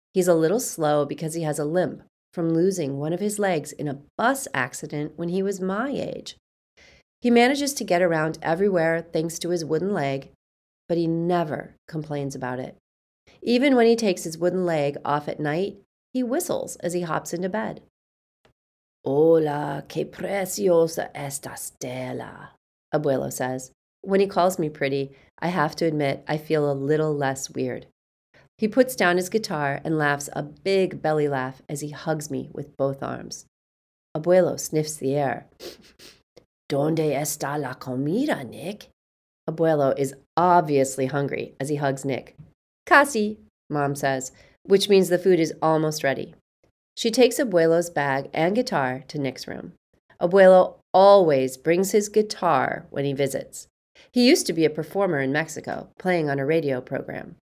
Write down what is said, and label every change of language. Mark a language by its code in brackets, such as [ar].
[en] He's a little slow because he has a limp from losing one of his legs in a bus accident when he was my age. He manages to get around everywhere thanks to his wooden leg, but he never complains about it. Even when he takes his wooden leg off at night, he whistles as he hops into bed. [es] Hola, qué preciosa esta estela, Abuelo says. [en] When he calls me pretty, I have to admit I feel a little less weird. He puts down his guitar and laughs a big belly laugh as he hugs me with both arms. Abuelo sniffs the air. [es] ¿Dónde está la comida, Nick? [en] Abuelo is obviously hungry as he hugs Nick. Casi, Mom says, which means the food is almost ready. She takes Abuelo's bag and guitar to Nick's room. Abuelo always brings his guitar when he visits. He used to be a performer in Mexico, playing on a radio program.